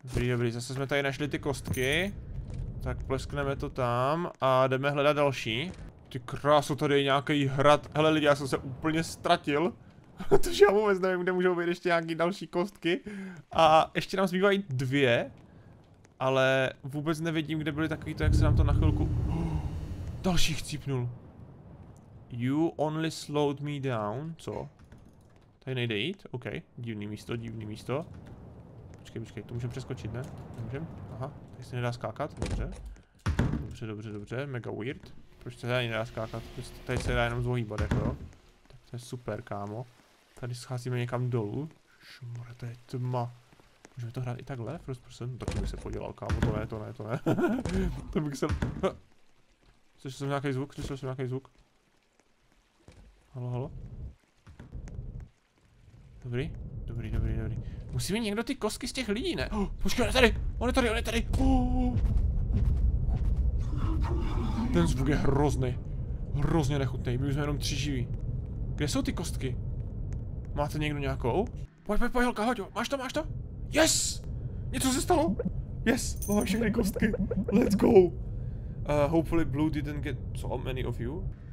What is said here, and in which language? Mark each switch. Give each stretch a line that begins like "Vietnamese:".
Czech: Dobrý, zase jsme tady našli ty kostky. Tak pleskneme to tam a jdeme hledat další. Ty krásu, tady je nějaký hrad. Hele lidi, já jsem se úplně ztratil. Protože já vůbec nevím, kde můžou být ještě nějaký další kostky. A ještě nám zbývají dvě. Ale vůbec nevidím, kde byly takový to, jak se nám to na chvilku... Další chcípnul.
English: You only slowed me down,
Czech: co? Tady nejde jít, ok, divný místo. Počkej, to můžem přeskočit, ne? Nemůžem, aha, tady se nedá skákat, dobře, mega
English: weird.
Czech: Proč se tady nedá skákat, tady se dá jenom zohýbat, jako jo. Tak to je super, kámo. Tady scházíme někam dolů. Šmr, to je tma. Můžeme to hrát i takhle,
English: first person?
Czech: Tak to bych se podělal, kámo, to ne. To bych se... Slyšel jsem nějaký zvuk. Halo. Dobrý. Musí mi někdo ty kostky z těch lidí, ne? Oh, počkej, on je tady. Ten zvuk je hrozný. Hrozně nechutný, my jsme jenom tři živí. Kde jsou ty kostky? Máte někdo nějakou? Pojď, holka, hoď, máš to?
English: Yes!
Czech: Něco se stalo?
English: Yes,
Czech: máme všechny kostky.
English: Let's go! Hopefully Blue didn't get so many of you.